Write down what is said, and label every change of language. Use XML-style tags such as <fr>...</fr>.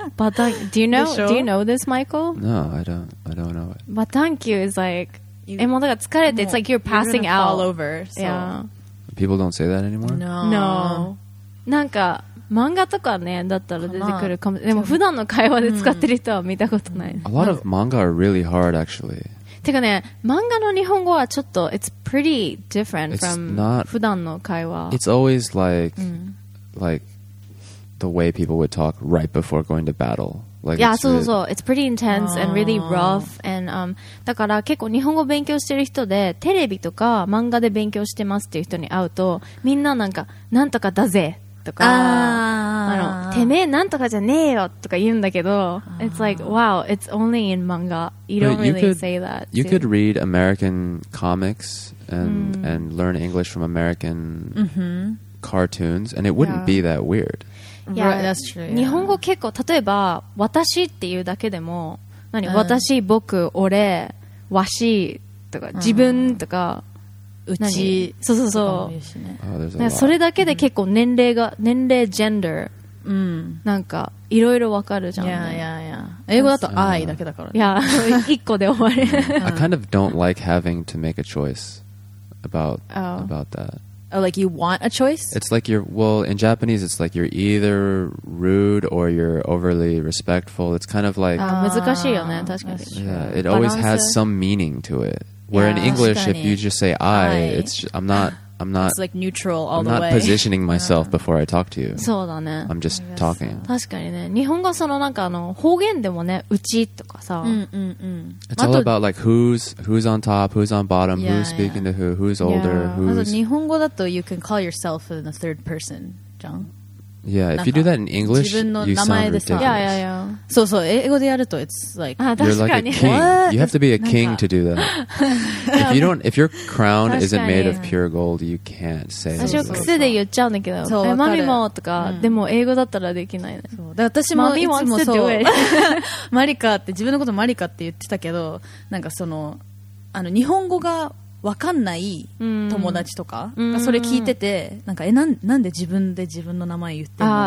<en>バタン、Do you know this, Michael? No, I don't know it. バタンキュー is like、</en> <ja>え、もうだから疲れて、</ja> <en>it's like you're passing out. Fall over, so. Yeah. People don't say that anymore? No.</en> <ja>なんか漫画とかねだったら出てくるかも。でも普段の会話で使ってる人は見たことない。</ja> <en>A lot of manga are really hard actually.</en> <ja>てかね、漫画の日本語はちょっと</ja> <en>it's pretty different from</en> <ja>普段の会話。</ja> <en>It's always like、うん、like the way people would talk right before going to battle. Like</en> <ja>yeah, そうそうそう。It's pretty intense and really rough. And、だから結構日本語勉強してる人でテレビとか漫画で勉強してますっていう人に会うとみんななんかなんとかだぜとか、あのてめえなんとかじゃねえよとか言うんだけど、</ja> <en>It's like wow, it's only in manga. You don't really say that. You could read American comics and learn English from American、 mm-hmm. cartoons, and it wouldn't、 be that weird. Yeah, right, that's true.</en> <ja>日本語結構例えば私っていうだけでも何、私、僕、俺、わしとか自分とか、うち、そうそうそう、ね、それだけで結構年齢が、年齢ジェンダーうん、なんかいろいろわかるじゃん、</ja> <en>ね、yeah, yeah, yeah.</en> <ja>英語だと愛だけだから、ね、いや一個で終わり</ja> <en>I kind of don't like having to make a choice about that、 oh, like you want a choice? It's like you're, well in Japanese it's like you're either rude or you're overly respectful. It's kind of like</en> <ja>難しいよね確かに、</ja> <en>yeah, it always has some meaning to it. Where yeah, in English if you just say I it's just, I'm not, it's like neutral all the way. I'm not positioning myself before I talk to you.</en> <ja>そうだね。</ja> <en>I'm just talking.</en> <ja>確かにね。日本語そのなんかあの方言でもね、うちとかさ。うんうんうん。</ja> <en>It's all about like who's on top, who's on bottom, yeah, who's speaking yeah. to who, who's older, yeah. who's...</en> <ja>まず日本語だと</ja> <en>you can call yourself in the third person,</en> <ja>じゃん。</ja> <en>Yeah, if you do that in English, you sound ridiculous. Yeah, yeah, yeah. So, so,</en> <ja>英語でやると</ja> <en>it's like, you're like a king. You have to be a king to do that. If you don't, if your crown isn't made of pure gold, you can't say</en> <ja>that. 私は癖で言っちゃうんだけど、マミモとか、でも英語だったらできないね。私もいつもそう、マリカって、自分のことマリカって言ってたけど、なんかその、あの、日本語が、わかんない友達とかがそれ聞いてて、なんか、え、なんで自分で自分の名前言ってんの？</ja>